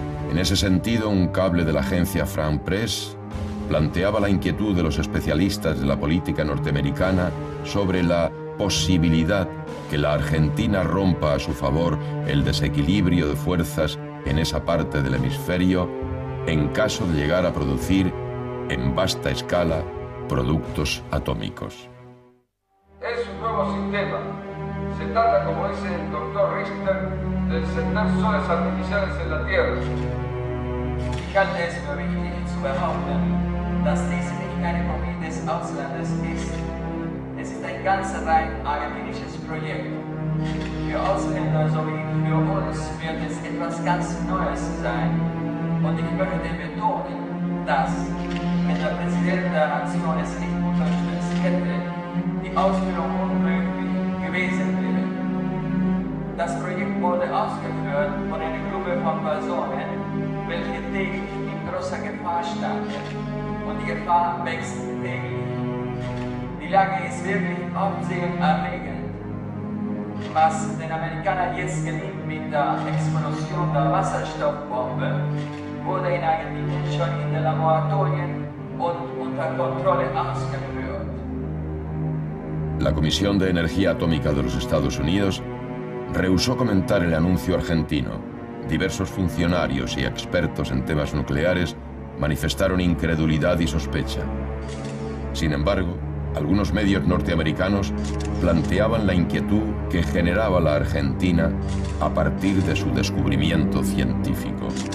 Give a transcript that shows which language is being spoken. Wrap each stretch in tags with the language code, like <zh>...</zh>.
<es>En ese sentido, un cable de la agencia France Presse planteaba la inquietud de los especialistas de la política norteamericana sobre la posibilidad que la Argentina rompa a su favor el desequilibrio de fuerzas en esa parte del hemisferio en caso de llegar a producir en vasta escala productos atómicos. Es un nuevo sistema. Se trata, como dice el doctor Richter, de sentar soles artificiales en la Tierra. Fíjate, señor Richter, en su</es> <de>behauptung, dass dies nicht eine Kopie des Auslandes ist. Es ist ein ganz rein argentinisches Projekt. Für Ausländer sowie für uns wird es etwas ganz Neues sein. Und ich möchte betonen, dass, wenn der Präsident der Nation es nicht unterstützt hätte, die Ausführung unmöglich gewesen wäre. Das Projekt wurde ausgeführt von einer Gruppe von Personen, welche täglich in großer Gefahr standen. Und die Gefahr wächst täglich. Die Lage ist wirklich aufsehenerregend. Was den Amerikanern jetzt gelingt mit der Explosion der Wasserstoffbombe, wurde in Argentinien schon in den Laboratorien und unter Kontrolle ausgeführt.</de> <es>La Comisión de Energía Atómica de los Estados Unidos rehusó comentar el anuncio argentino. Diversos funcionarios y expertos en temas nucleares manifestaron incredulidad y sospecha. Sin embargo, algunos medios norteamericanos planteaban la inquietud que generaba la Argentina a partir de su descubrimiento científico.</es>